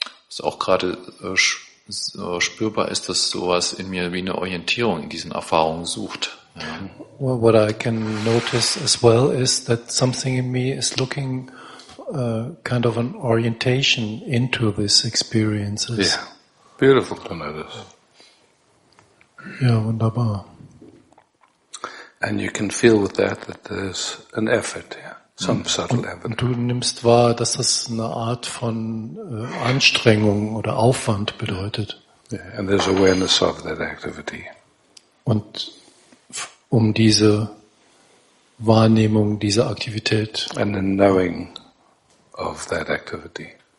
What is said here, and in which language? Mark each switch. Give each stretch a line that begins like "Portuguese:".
German: es auch gerade spürbar ist, dass sowas in mir wie eine Orientierung in diesen Erfahrungen sucht.
English: Well, what I can notice as well is that something in me is looking kind of an orientation into these experiences. Yeah, beautiful, Cornelius.
German: Yeah, wunderbar.
English: And you can feel with that that there's an effort, yeah, some subtle effort.
German: Und du nimmst wahr, dass das eine Art von Anstrengung oder Aufwand bedeutet.
English: Yeah, and there's awareness of that activity.
German: Und um diese Wahrnehmung, diese Aktivität.
English: And the knowing of that activity.